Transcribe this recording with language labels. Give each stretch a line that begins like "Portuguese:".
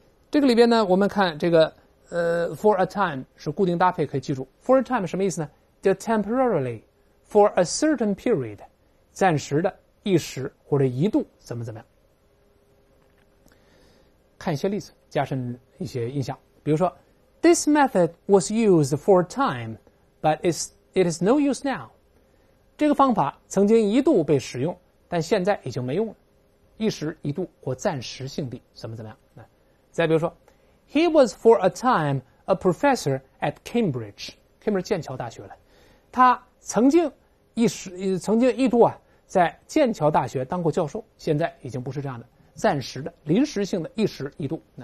Chinese: 这个里边呢，我们看这个for a time 是固定搭配，可以记住。For a time 什么意思呢？叫
English: temporarily, for a certain period,
Chinese: 暂时的，一时或者一度，怎么怎么样。看一些例子，加深一些印象。比如说
English: ,this method was used for a time, but it is no use now.
Chinese: 这个方法曾经一度被使用，但现在已经没用了。一时一度或暂时性的，怎么怎么样。再比如说
English: ,he was for a time a professor at Cambridge,
Chinese: 剑桥大学了。他曾经一度在剑桥大学当过教授，现在已经不是这样的，暂时的临时性的一时一度。